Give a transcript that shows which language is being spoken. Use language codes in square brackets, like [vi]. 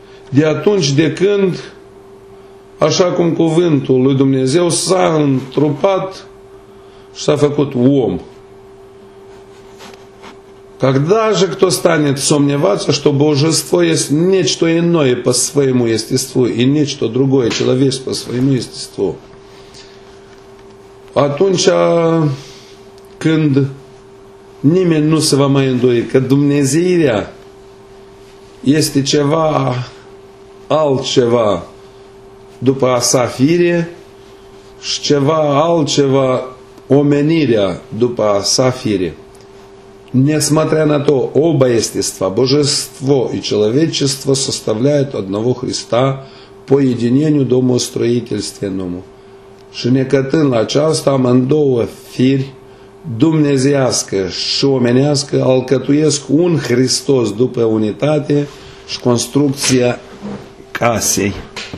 [ro] De atunci de când, așa cum cuvântul lui Dumnezeu s-a întrupat și s-a făcut om. [ru] Когда же кто станет сомневаться, что божество есть нечто иное по своему естеству и нечто другое человек по своему естеству? [ro] Atunci când nimeni nu se va mai îndoi că Dumnezeirea este ceva altceva după a sa fire și ceva altceva omenirea după a sa fire. [ru] Несмотря на то, оба естества, божество и человечество, составляют одного Христа по единению домостроительственному. [ro] Шинекатын лачаста мандоуа фирь, dumnezească și omenească, alcătuiesc un Hristos după unitate și construcția casei.